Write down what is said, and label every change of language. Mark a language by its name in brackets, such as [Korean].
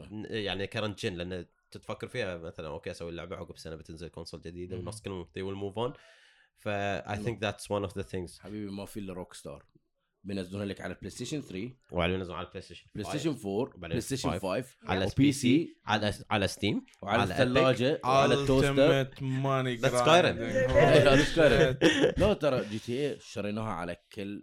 [Arabic] يعني [English] current gen [Arabic] لأن تتفكر فيها مثلا [English] okay [Arabic] أسوي اللعبة عقب سنة بتنزل كونسول جديدة والناس كلهم [English] they will move on. ف I think that's one of the things. [Arabic] حبيبي ما في الروك ستار. بينزلونها لك على بلاي ستيشن 3 وعلى نزلوا على بلاي ستيشن 4 بلاي ستيشن 5 على بي سي على ستيم وعلى الثلاجة وعلى التوستر ماني جراند لا ترى جي تي اي شريناها على كل